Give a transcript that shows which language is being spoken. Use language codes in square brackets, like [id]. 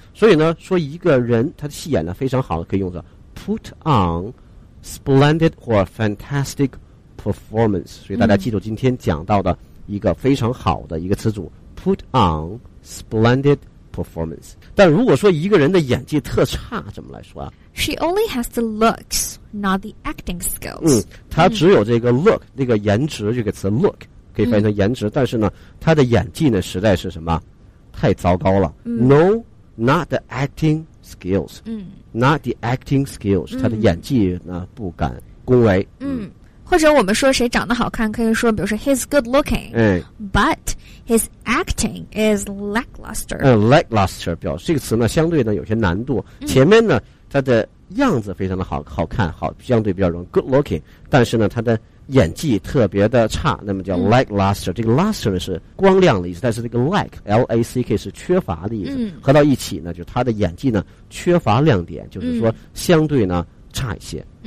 [zh] 所以呢，说一个人他的戏演的非常好，可以用作 put on splendid or fantastic performance。所以大家记住今天讲到的一个非常好的一个词组 put on splendid performance。但如果说一个人的演技特差，怎么来说啊？ [en] She only has the looks, not the acting skills. [zh] 嗯，她只有这个 look， 那个颜值这个词 look 可以翻译成颜值，但是呢，她的演技呢实在是什么，太糟糕了。 [en] No, not the acting skills. [zh] Not the acting skills. 她的演技呢不敢恭维。或者我们说谁长得好看，可以说比如说 he's good looking、哎、 [en] but his acting is lackluster、 [zh] lackluster 表示这个词呢相对呢有些难度、前面呢他的样子非常的好看相对比较容易 good looking，但是呢他的演技特别的差，那么叫 lackluster、这个 luster 是光亮的意思，但是这个 lack L-A-C-K 是缺乏的意思、合到一起呢就他的演技呢缺乏亮点，就是说相对呢差一些。